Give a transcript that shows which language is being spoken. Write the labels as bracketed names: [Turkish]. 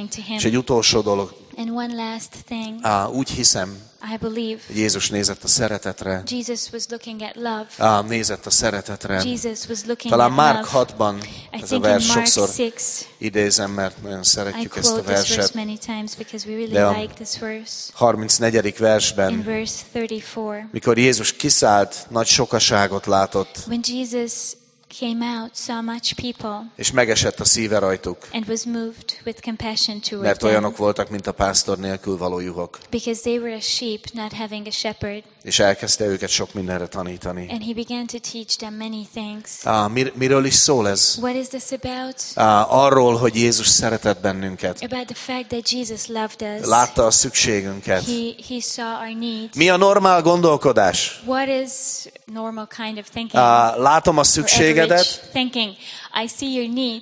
[Hungarian] És egy utolsó dolog. [English] And one last thing. [Hungarian] Úgy hiszem, [English] I believe. [Hungarian] Hogy Jézus nézett a szeretetre. [English] Jesus was looking at love. [Hungarian] Nézett a szeretetre. [English] Jesus was looking [Hungarian] talán [English] at Mark love. [Hungarian] 6-ban ez a vers sokszor idézem, mert nagyon szeretjük [English] I [Hungarian] ezt a verset. [English] This many times because we really like this verse. [Hungarian] 34. versben, [English] in verse 34, [Hungarian] mikor Jézus kiszállt, nagy sokaságot látott. [English] When Jesus came out, saw much people, [Hungarian] és megesett a szíve rajtuk, [English] and was moved with compassion toward [Hungarian] mert olyanok [English] them, [Hungarian] voltak, mint a pásztor nélkül való juhok. [English] Because they were a sheep, not having a shepherd. [Hungarian] És elkezdte őket sok mindenre tanítani. [English] And he began to teach them many things. [Hungarian] Miről is szól ez? [English] What is this about? [Hungarian] Arról, hogy Jézus szeretett bennünket. [English] About the fact that Jesus loved us. [Hungarian] Látta a szükségünket. [English] He saw our need. [Hungarian] Mi a normál gondolkodás? [English] What is normal kind of thinking? [Hungarian] Látom a szükségedet. [English] Thinking. I see your need.